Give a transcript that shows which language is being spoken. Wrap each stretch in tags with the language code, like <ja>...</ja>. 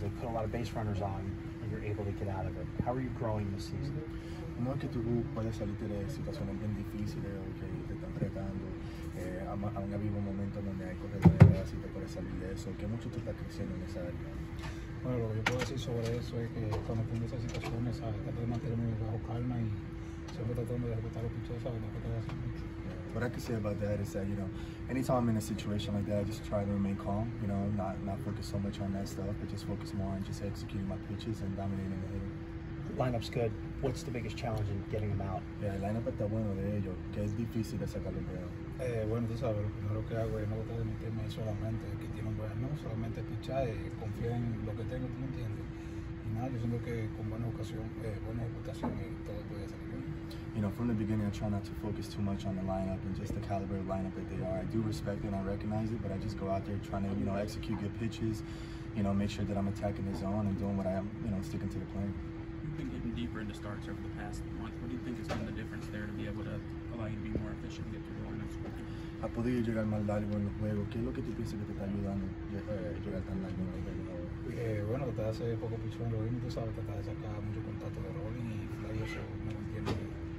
<en>They put a lot of base runners on, and you're able to get out of it. How are you growing this season?</en> <es>No es que tú puedes salirte de situaciones bien difíciles o que te están retando. Aún ha habido un momento donde hay corredores y te puedes salir de eso. ¿Qué mucho tú estás creciendo en esa área? Bueno, lo que yo puedo decir sobre eso es que cuando tengo esas situaciones, ¿sabes? Trato de mantenerme bajo calma y siempre tratando de respetar los pichos, ¿sabes? No puedo hacer mucho.</es> <en>What I can say about that is that, you know, anytime I'm in a situation like that, I just try to remain calm, you know, not focus so much on that stuff, but just focus more on just executing my pitches and dominating the hitting. Lineup's good. What's the biggest challenge in getting them out?</en> <es>Yeah, lineup está bueno de ellos, que es difícil de sacarlo de ellos. Bueno, tú sabes, lo primero que hago es no tratar de meterme solamente, que tiene un buen, no, solamente pichar, confía en lo que tengo, tú me entiendes. Y nada, yo siento que con buena ocasión, buena ejecutación y todo puede salir bien.</es> <en>You know, from the beginning, I try not to focus too much on the lineup and just the caliber of lineup that they are. I do respect it and I recognize it, but I just go out there trying to, you know, execute good pitches, you know, make sure that I'm attacking the zone and doing what I am, you know, sticking to the plan. You've been getting deeper into starts over the past month. What do you think has been the difference there to be able to allow you to be more efficient and get through the lineups?</en> <es>¿Ha podido llegar más largo en los juegos? ¿Qué es lo que tú piensas que te está ayudando llegar tan largo en los juegos? Bueno, tratar de hacer poco pichón en los juegos, tú sabes, tratar de sacar mucho contacto de rolling y fly, eso me mantiene.</es>